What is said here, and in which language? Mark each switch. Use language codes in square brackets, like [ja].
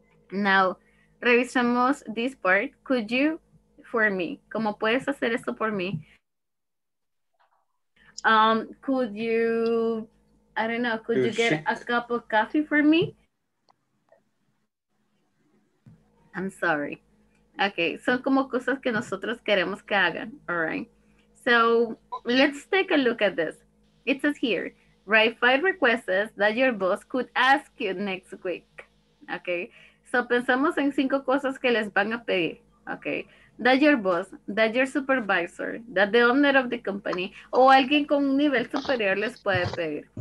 [en] Now, [es] revisamos [en] this part. Could you for me? [es] ¿Cómo puedes hacer esto por mí? [en] Could you, I don't know, could you get a cup of coffee for me? I'm sorry. [es] Okay, son como cosas que nosotros queremos que hagan. [en] All right. So let's take a look at this. It says here, write 5 requests that your boss could ask you next week. [es] Okay. So pensamos en 5 cosas que les van a pedir. Okay. [en] That your boss, that your supervisor, that the owner of the company, [es] o alguien con un nivel superior les puede pedir.